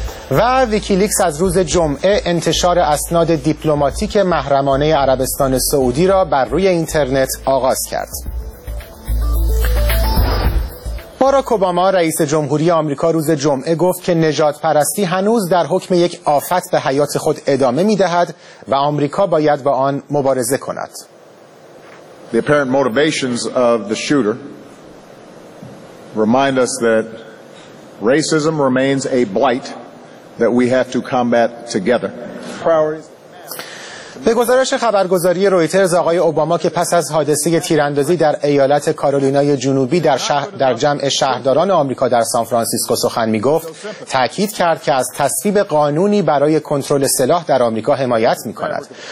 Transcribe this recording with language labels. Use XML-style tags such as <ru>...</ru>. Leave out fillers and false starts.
<fa>و ویکیلیکس از روز جمعه انتشار اسناد دیپلماتیک محرمانه عربستان سعودی را بر روی اینترنت آغاز کرد. باراک اوباما رئیس جمهوری آمریکا روز جمعه گفت که نژادپرستی هنوز در حکم یک آفت به حیات خود ادامه می‌دهد و آمریکا باید با آن مبارزه کند.</fa> <en>The apparent motivations of the shooter remind us that racism remains a blight that we have to combat together.</en> <fa>به گزارش خبرگزاری رویترز، آقای اوباما که پس از حادثه تیراندازی در ایالت کارولینای جنوبی در جمع شهرداران آمریکا در سان فرانسیسکو سخن می‌گفت، تأکید کرد که از تصویب قانونی برای کنترل سلاح در آمریکا حمایت می‌کند.</fa>